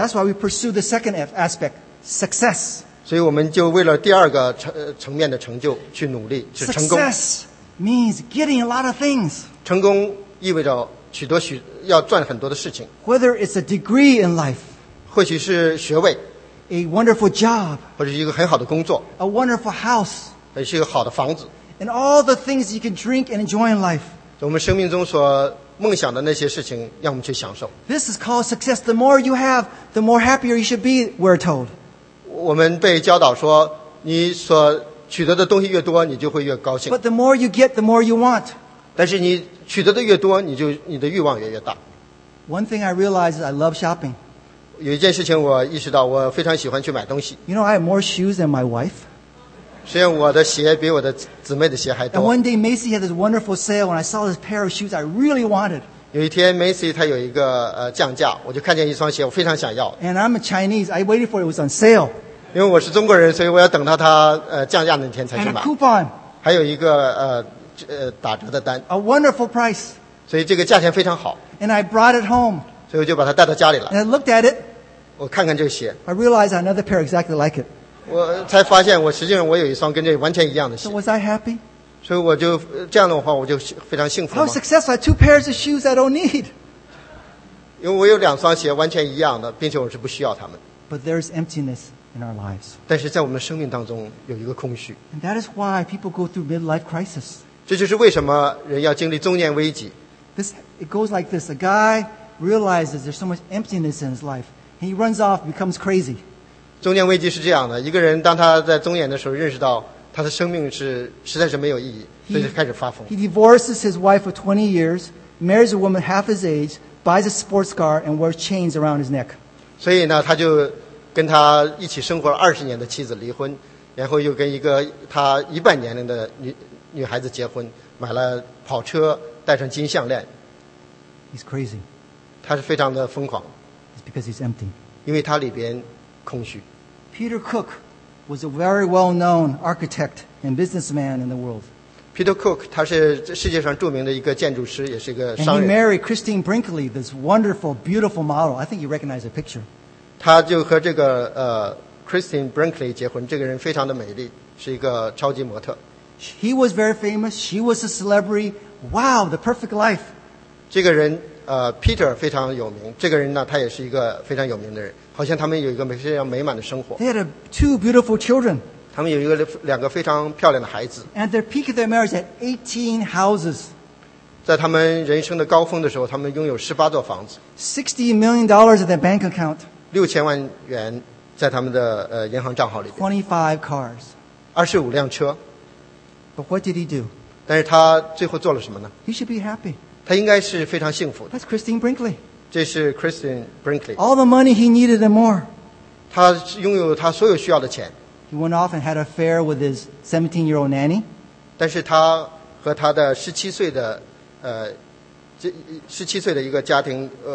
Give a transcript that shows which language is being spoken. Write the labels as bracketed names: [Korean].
[English] That's why we pursue the second aspect, success. [Chinese] 所以我们就为了第二个层面的成就去努力，去成功。 [English] Success means getting a lot of things. [Chinese] 成功意味着许多要赚很多的事情。 [English] Whether it's a degree in life, [Chinese] 或许是学位 [English] ，a wonderful job, [Chinese] 或者一个很好的工作 [English] ，a wonderful house, [Chinese] 还是一个好的房子。 [English] And all the things you can drink and enjoy in life. [Chinese] 我们生命中所梦想的那些事情，让我们去享受。 [English] This is called success. The more you have, the more happier you should be. We're told. [Chinese] 我们被教导说，你所取得的东西越多，你就会越高兴。 [English] But the more you get, the more you want. [Chinese] 但是你取得的越多，你的欲望越大。 [English] One thing I realized is I love shopping. [Chinese] 有一件事情我意识到，我非常喜欢去买东西。 [English] You know, I have more shoes than my wife. [Chinese] 虽然我的鞋比我的姊妹的鞋还多。 [English] And one day Macy had this wonderful sale, and I saw this pair of shoes I really wanted. [Chinese] 有一天 Macy 她有一个降价，我就看见一双鞋，我非常想要。 [English] And I'm a Chinese. I waited for it was on sale. [Chinese] 因为我是中国人，所以我要等到它降价那天才去买。 [English] And a coupon. [Chinese] 还有一个打折的单。 [English] A wonderful price. [Chinese] 所以这个价钱非常好。 [English] And I brought it home. [Chinese] 所以我就把它带到家里了。 [English] And I looked at it. [Chinese] 我看看这个鞋。 [English] I realized I had another pair exactly like it. [Chinese] 我才发现我实际上我有一双跟这完全一样的鞋。 [English] So was I happy? [Chinese] 所以我就这样的话我就非常幸福吗。 [English] I was successful. I had two pairs of shoes I don't need. [Chinese] 因为我有两双鞋完全一样的，并且我是不需要它们。 [English] But there's emptiness in our lives. [Chinese] 但是在我们生命当中有一个空虚。 [English] And that is why people go through midlife crisis. [Chinese] 这就是为什么人要经历中年危机。 [English] It goes like this. A guy realizes there's so much emptiness in his life. He runs off, becomes crazy. [Chinese] 中年危机是这样的。一个人当他在中年的时候认识到他的生命是实在是没有意义，所以就开始发疯。 [English] He divorces his wife for 20 years, marries a woman half his age, buys a sports car, and wears chains around his neck. [Chinese] 所以呢，他就跟他一起生活了二十年的妻子离婚，然后又跟一个他一半年龄的女孩子结婚，买了跑车。戴上金项链。 [English] He's crazy. [Chinese] 他是非常的疯狂。 [English] It's because he's empty. [Chinese] 因为他里边空虚。 [English] Peter Cook was a very well-known architect and businessman in the world. [Chinese] Peter Cook, 他是世界上著名的一个建筑师，也是一个商人。 [English] And he married Christine Brinkley, this wonderful, beautiful model. I think you recognize the picture. [Chinese] 他就和这个Christine Brinkley 结婚，这个人非常的美丽，是一个超级模特。 [English] He was very famous. She was a celebrity. Wow, the perfect life. [Chinese] 这个人Peter 非常有名。这个人呢，他也是一个非常有名的人。好像他们有一个非常美满的生活。 [English] They had two beautiful children. [Chinese] 他们有两个非常漂亮的孩子。 [English] And their peak of their marriage had 18 houses. [Chinese] 在他们人生的高峰的时候，他们拥有18座房子。 [English] $60 million in their bank account. [Chinese] 6000万元在他们的银行账号里边。 [English] 25 cars. [Chinese] 25辆车。 [English] But what did he do? [Chinese] 但是他最后做了什么呢? [English] He should be happy. [Chinese] 他应该是非常幸福的。 [English] That's Christine Brinkley. [Chinese] 这是 Christine Brinkley. [English] All the money he needed and more. [Chinese] 他拥有他所有需要的钱。 [English] He went off and had an affair with his 17-year-old nanny. [Chinese] 但是他和他的17岁的一个家庭